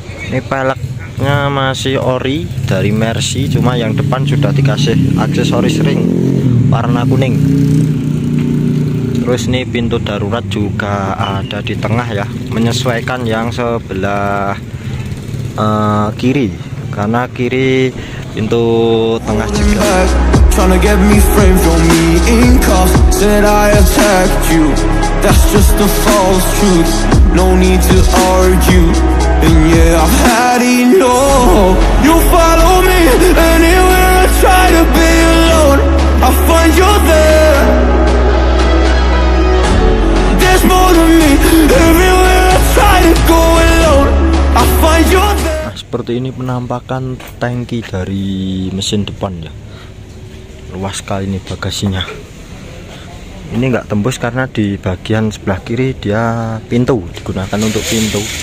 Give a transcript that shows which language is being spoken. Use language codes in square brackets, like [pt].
[id] Ini peleknya masih ori dari Mercy, cuma yang depan sudah dikasih aksesoris ring warna kuning. Terus ini pintu darurat juga ada di tengah ya, menyesuaikan yang sebelah kiri, karena kiri pintu tengah juga. [en] Trying to get me framed on me in cuffs. Said I attacked you. That's just a false truth. No need to argue. And yeah, I've had enough. You follow me anywhere I try to be alone. I find you there. There's more to me. Everywhere I try to go alone. I find you there. [id] Nah, seperti ini penampakan tangki dari mesin depan ya. Luas sekali ini bagasinya. Ini enggak tembus karena di bagian sebelah kiri dia pintu, digunakan untuk pintu.